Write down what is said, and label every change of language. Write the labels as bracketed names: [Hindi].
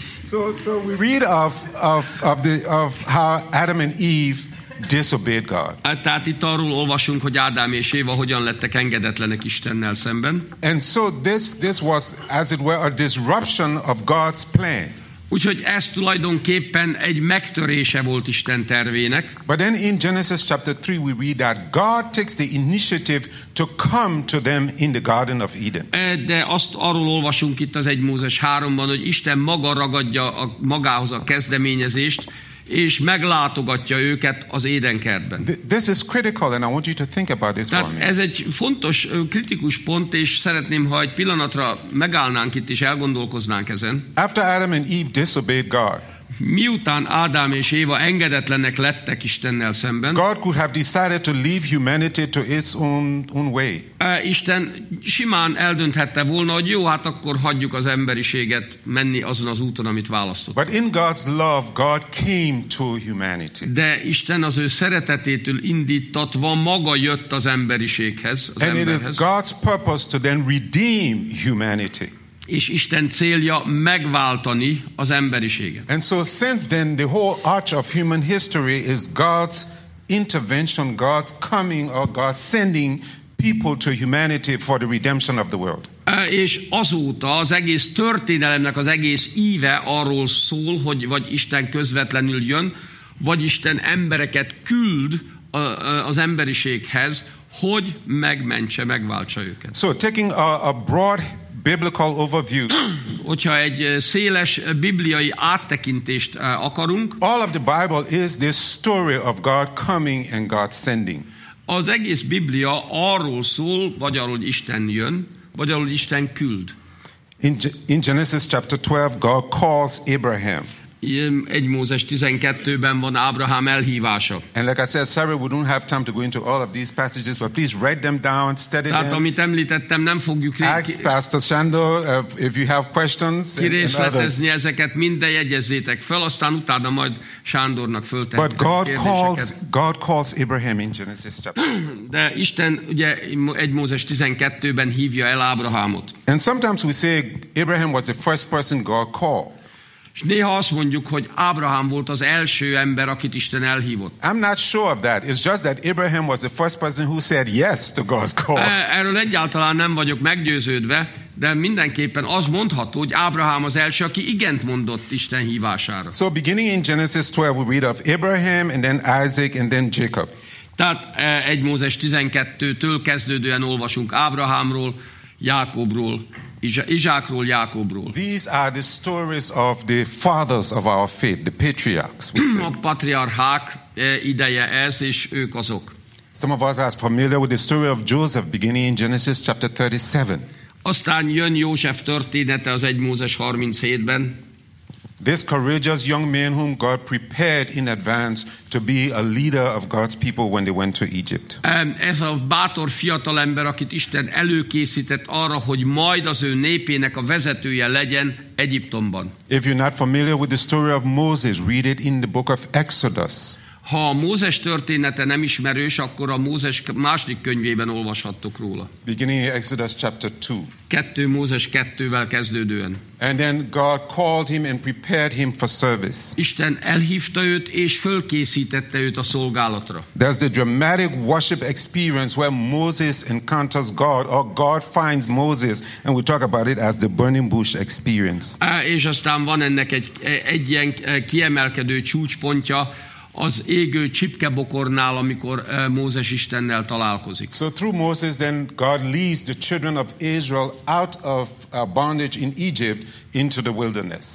[English] So we read of how Adam and Eve disobeyed God. [Hungarian] Tehát itt arról olvasunk, hogy Ádám és Éva hogyan lettek engedetlenek Istennel szemben. [English] And so this was, as it were, a disruption of God's plan. [Hungarian] Úgyhogy ez tulajdonképpen egy megtörése volt Isten tervének. [English] But then in Genesis chapter 3 we read that God takes the initiative to come to them in the Garden of Eden. [Hungarian] De azt arról olvasunk itt az 1 Mózes 3-ban, hogy Isten maga ragadja magához a kezdeményezést, és meglátogatja őket az Édenkertben. [English] This is critical and I want you to think about this. [Hungarian] Tehát ez egy fontos, kritikus pont, és szeretném, ha egy pillanatra megállnánk itt, és elgondolkoznánk ezen. [English] After Adam and Eve disobeyed God. [Hungarian] Miután Ádám és Éva engedetlenek lettek Istennel szemben. [English] God could have decided to leave humanity to its own way. [Hungarian] Isten simán eldönthette volna, hogy jó, hát akkor hagyjuk az emberiséget menni azon az úton, amit választott. [English] But in God's love, God came to humanity. [Hungarian] De Isten az ő szeretetétől indítatva maga jött az emberiséghez, az emberhez. [English] And it is God's purpose to then redeem humanity. [Hungarian] És Isten célja megváltani az emberiséget. [English] And so since then the whole arch of human history is God's intervention, God's coming or God sending people to humanity for the redemption of the world. [Hungarian] És azóta az egész történelemnek az egész íve arról szól, hogy vagy Isten közvetlenül jön, vagy Isten embereket küld az emberiséghez, hogy megmentse, megváltsa őket. [English] So taking a broad biblical overview. [Hungarian] Hogyha egy széles bibliai áttekintést akarunk. [English] All of the Bible is this story of God coming and God sending. [Hungarian] Az egész Biblia arról szól, vagy arról, hogy Isten jön, vagy arról, hogy Isten küld. [English] In Genesis chapter 12, God calls Abraham. [Hungarian] Egy Mózes 12-ben van Ábrahám elhívása. [English] And like I said, sorry, we don't have time to go into all of these passages, but please write them down, study [Hungarian] tehát, [English] them. [Hungarian] Amit említettem, nem fogjuk [English] ask Pastor Sando if you have questions. [Hungarian] Kirészletezni ezeket, minden jegyezzétek fel, aztán utána majd Sándornak föltehetek. [English] But God calls Abraham in Genesis chapter. [Hungarian] De Isten ugye egy Mózes 12-ben hívja el Ábrahámot. [English] And sometimes we say Abraham was the first person God called. [Hungarian] És néha azt mondjuk, hogy Ábrahám volt az első ember, akit Isten elhívott. [English] I'm not sure of that. It's just that Abraham was the first person who said yes to God's call. [Hungarian] Erről egyáltalán nem vagyok meggyőződve, de mindenképpen az mondható, hogy Ábrahám az első, aki igent mondott Isten hívására. [English] So beginning in Genesis 12, we read of Abraham, and then Isaac, and then Jacob. [Hungarian] Tehát 1 Mózes 12-től kezdődően olvasunk Ábrahámról, Jákobról. Izsákról, Jákobról. [English] These are the stories of the fathers of our faith, the patriarchs. [Hungarian] A patriarchák ideje ez, és ők azok. [English] Some of us are familiar with the story of Joseph beginning in Genesis chapter 37. [Hungarian] Aztán jön József története az 1 Mózes 37-ben. [English] This courageous young man whom God prepared in advance to be a leader of God's people when they went to Egypt. [Hungarian] Ez a bátor fiatal ember, akit Isten előkészített arra, hogy majd az ő népének a vezetője legyen Egyiptomban. [English] If you're not familiar with the story of Moses, read it in the book of Exodus. [Hungarian] Ha a Mózes története nem ismerős, akkor a Mózes második könyvében olvashattok róla. [English] Beginning in Exodus chapter 2. [Hungarian] 2 Mózes 2-vel kezdődően. [English] And then God called him and prepared him for service. [Hungarian] Isten elhívta őt és fölkészítette őt a szolgálatra. [English] There's the dramatic worship experience where Moses encounters God or God finds Moses, and we talk about it as the burning bush experience. [Hungarian] És aztán van ennek egy ilyen kiemelkedő csúcspontja, az égő csipkebokornál, amikor Mózes Istennel találkozik. [English] So through Moses then God leads the children of Israel out of bondage in Egypt into the wilderness.